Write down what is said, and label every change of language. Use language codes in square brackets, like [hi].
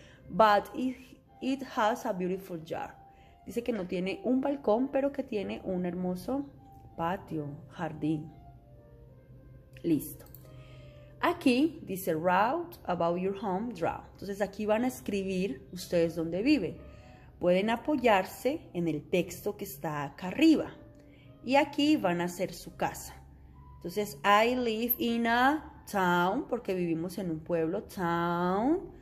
[en] But it has a beautiful yard. [es] Dice que no tiene un balcón, pero que tiene un hermoso patio, jardín. Listo. Aquí dice [en] write about your home, draw. [es] Entonces aquí van a escribir ustedes dónde viven. Pueden apoyarse en el texto que está acá arriba. Y aquí van a hacer su casa. Entonces, [en] I live in a town, [es] porque vivimos en un pueblo, town.